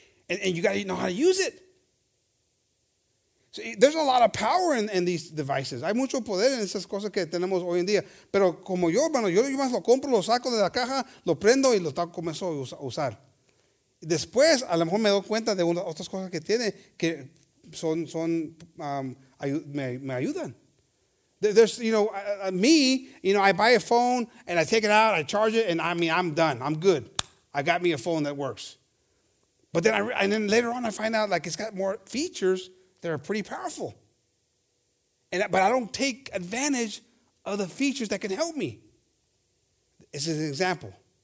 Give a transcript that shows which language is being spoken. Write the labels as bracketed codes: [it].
[en] And you got to know how to use it. See, there's a lot of power in these devices. [es] Hay mucho poder en esas cosas que tenemos hoy en día. Pero como yo, hermano, yo más lo compro, lo saco de la caja, lo prendo y lo comienzo a usar. Después, a lo mejor me doy cuenta de otras cosas que tiene que me ayudan. [en] There's, you know, me, you know, I buy a phone and I take it out, I charge it, and I mean, I'm done. I'm good. I got me a phone that works. But then and then later on I find out, like, it's got more features that are pretty powerful. But I don't take advantage of the features that can help me. This is an example.